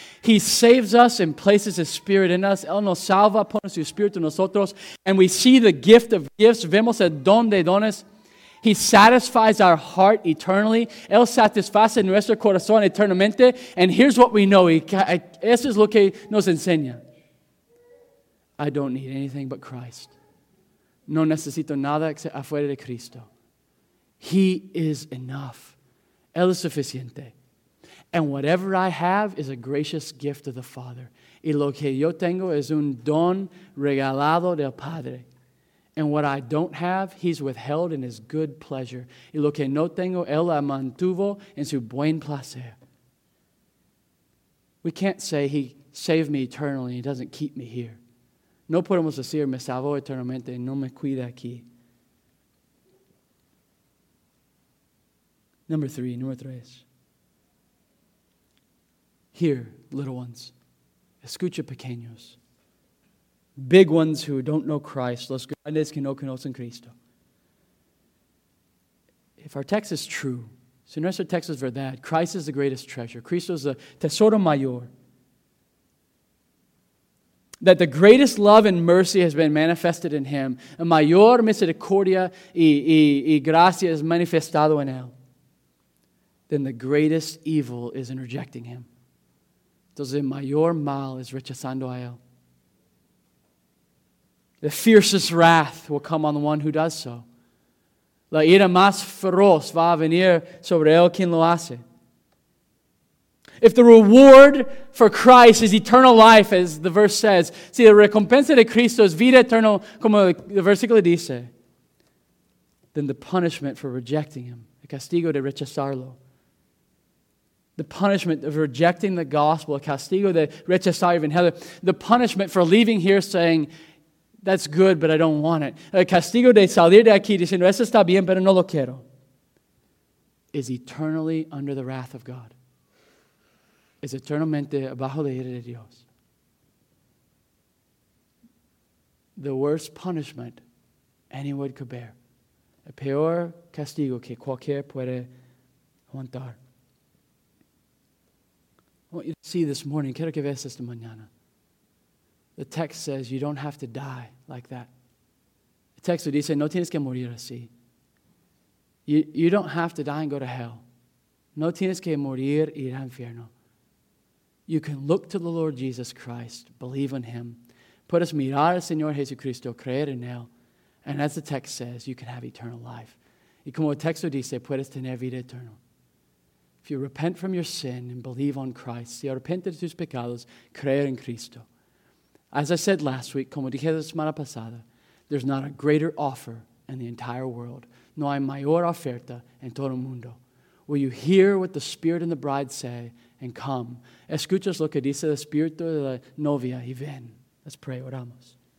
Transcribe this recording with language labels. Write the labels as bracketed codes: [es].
[en] He saves us and places his spirit in us. [es] Él nos salva, pone su espíritu en nosotros. [en] And we see the gift of gifts. [es] Vemos el don de dones. [en] He satisfies our heart eternally. [es] Él satisface nuestro corazón eternamente. [en] And here's what we know. [es] Eso es lo que nos enseña. [en] I don't need anything but Christ. [es] No necesito nada [en] except [es] afuera de Cristo. [en] He is enough. [es] Él es suficiente. [en] And whatever I have is a gracious gift of the Father. [es] Y lo que yo tengo es un don regalado del Padre. [en] And what I don't have, he's withheld in his good pleasure. [es] Y lo que no tengo, él la mantuvo en su buen placer. [en] We can't say he saved me eternally and he doesn't keep me here. [es] No podemos decir, me salvó eternamente, no me cuida aquí. Número tres. [en] Here, little ones. [es] Escucha, pequeños. [en] Big ones who don't know Christ. [es] Los grandes que no conocen Cristo. [en] If our text is true, [es] si nuestro texto es verdad, [en] Christ is the greatest treasure. [es] Cristo es el tesoro mayor. [en] That the greatest love and mercy has been manifested in him. [es] A mayor misericordia y gracia es manifestado en él. [en] Then the greatest evil is in rejecting him. [es] Entonces el mayor mal es rechazando a él. [en] The fiercest wrath will come on the one who does so. [es] La ira más feroz va a venir sobre él quien lo hace. [en] If the reward for Christ is eternal life, as the verse says, [es] si la recompensa de Cristo es vida eterna, como el versículo dice, [en] then the punishment for rejecting him, [es] el castigo de rechazarlo, [en] the punishment of rejecting the gospel, [es] el castigo de rechazar el evangelio, [en] the punishment for leaving here saying, that's good, but I don't want it, [es] el castigo de salir de aquí diciendo, eso está bien, pero no lo quiero, [en] is eternally under the wrath of God. [es] Es eternamente bajo la ira de Dios. [en] The worst punishment anyone could bear. [es] El peor castigo que cualquier puede aguantar. [en] I want you to see this morning. [es] Quiero que veas esta mañana. [en] The text says you don't have to die like that. The text [es] dice, no tienes que morir así. [en] You don't have to die and go to hell. [es] No tienes que morir y ir al infierno. [en] You can look to the Lord Jesus Christ, believe in him, put us [es] mirar al Señor Jesucristo, creer en él, [en] and as the text says, you can have eternal life. [es] Y como el texto dice, puedes tener vida eterna. [en] If you repent from your sin and believe on Christ, [es] si arrepentes de tus pecados, creer en Cristo. [en] As I said last week, [es] como dije la semana pasada, [en] there's not a greater offer in the entire world. [es] No hay mayor oferta en todo el mundo. [en] Will you hear what the Spirit and the Bride say and come? [es] Escuchas lo que dice el Espíritu de la novia y ven. [en] Let's pray, [es] oramos.